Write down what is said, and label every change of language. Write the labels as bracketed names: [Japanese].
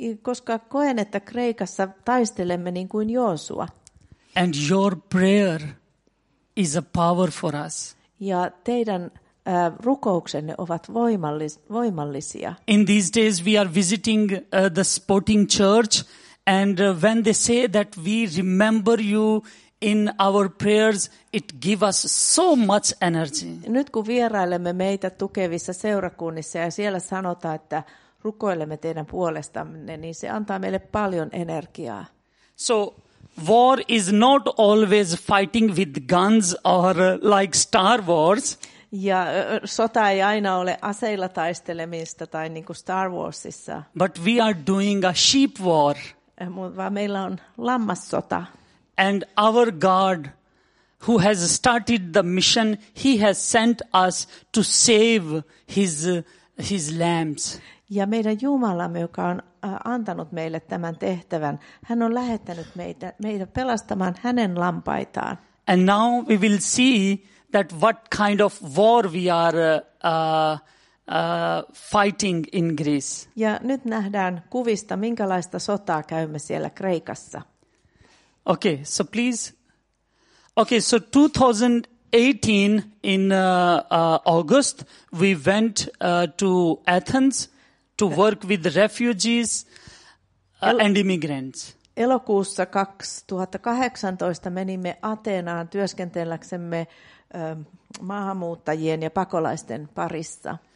[Finnish] Koska koen, että Kreikassa taistelemme niin kuin Joosua. [English] And your prayer is a power for us. [Finnish] Ja teidän rukouksenne ovat voimallisia. [English] In these days, we are visiting the sporting church, and when they say that we remember you in our prayers, it give us so much energy. [Finnish] Nyt kun vierailemme meitä tukevissa seurakunnissa ja siellä sanotaan, että rukoilemme teidän puolestanne, niin se antaa meille paljon energiaa. [English] So war is not always fighting with guns or like Star Wars. [Finnish] Ja sota ei aina ole aseilla taistelemista tai niin kuin Star Warsissa. [English] But we are doing a sheep war. [Finnish] Vaan meillä on lammassota. [English] And our God, who has started the mission, he has sent us to save his lambs. [Finnish] Ja meidän Jumalamme, joka on antanut meille tämän tehtävän. Hän on lähettänyt meitä pelastamaan hänen lampaitaan. [English] And now we will see that what kind of war we are fighting in Greece. [Finnish] Ja nyt nähdään kuvista, minkälaista sotaa käymme siellä Kreikassa. [English] Okay, so please. Okay, so 2018 in August we went to Athens to work with refugees and immigrants. [Finnish] Elokuussa 2018 menimme Ateenaan työskentelläksemme maahanmuuttajien ja pakolaisten parissa.